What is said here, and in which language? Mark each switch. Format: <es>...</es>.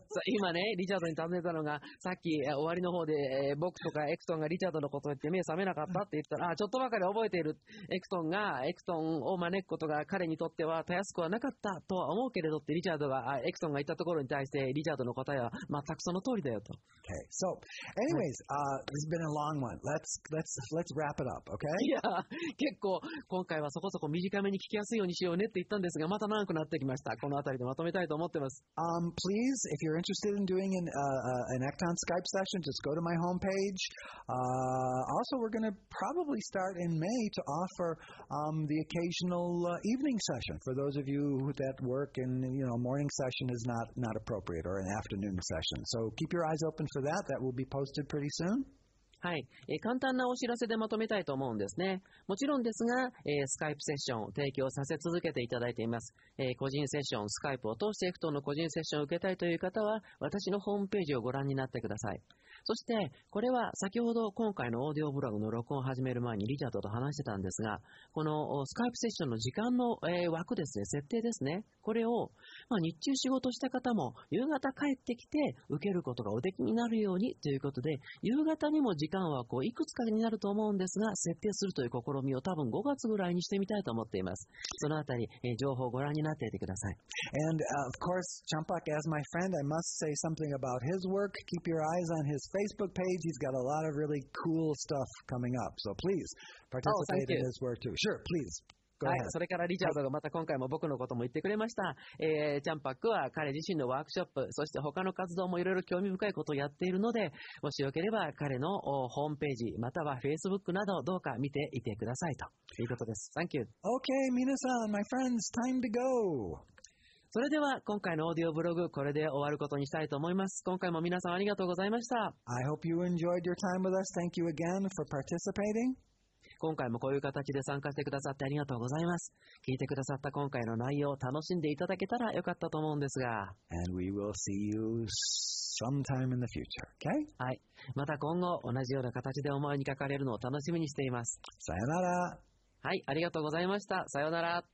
<ja>今ね、リチャードに尋ねたのが、さっき終わりの方で、僕とかエクトンがリチャードのことを言って目覚めなかったって言ったら、ちょっとばかり覚えているエクトンが、エクトンを招くことが彼にとってはたやすくはなかったとは思うけれどって、リチャードが、エクトンが言ったところに対して、リチャードの答えは全くその通りだよと。</ja> <en>Okay. So, anyways, this has been a long one. Let's wrap it up, okay?</en> <ja>いや、結構今回はそこそこ短めに聞きやすいようにしようねって言ったんですが、また長くなってきました。このあたりでまとめたいと思ってます。</ja> <en>Please, if you're interested in doing an Ecton Skype session, just go to my homepage. Also, we're going to probably start in May to offer the occasional evening session for those of you that work in, you know, morning session is not appropriate or an afternoon session. So keep your eyes open for that. That will be posted pretty soon.</en> <ja>はい、簡単なお知らせでまとめたいと思うんですね。もちろんですが、スカイプセッションを提供させ続けていただいています。個人セッション、スカイプを通してエクトンの個人セッションを受けたいという方は、私のホームページをご覧になってください。そして、これは先ほど今回のオーディオブログの録音を始める前にリチャードと話してたんですが、このスカイプセッションの時間の、枠ですね、設定ですね、これを、日中仕事した方も夕方帰ってきて受けることがおできになるようにということで、夕方にも時間枠をいくつかになると思うんですが、設定するという試みを多分5月ぐらいにしてみたいと思っています。そのあたり、情報をご覧になっていてください。</ja> <en>And of course, Champak, as my friend, I must say something about his work. Keep your eyes on his Facebook page. He's got a lot of really cool stuff coming up. So please participate in his work too. Sure, please.</en> <ja>はい、それからリチャードがまた今回も僕のことも言ってくれました。チャンパックは彼自身のワークショップ、そして他の活動もいろいろ興味深いことをやっているので、もしよければ彼のホームページ、または Facebook などどうか見ていてくださいということです。</ja> <en>Thank you. Okay,</en> <ja>皆さん、</ja> <en>my friends, time to go.</en> <ja>それでは今回のオーディオブログ、これで終わることにしたいと思います。今回も皆さんありがとうございました。</ja> <en>I hope you enjoyed your time with us. Thank you again for participating.</en> <ja>今回もこういう形で参加してくださってありがとうございます。聞いてくださった今回の内容を楽しんでいただけたらよかったと思うんですが。</ja> <en>And we will see you sometime in the future, okay?</en> <ja>はい。また今後同じような形でお前にかかれるのを楽しみにしています。さよなら。はい、ありがとうございました。さよなら。</ja>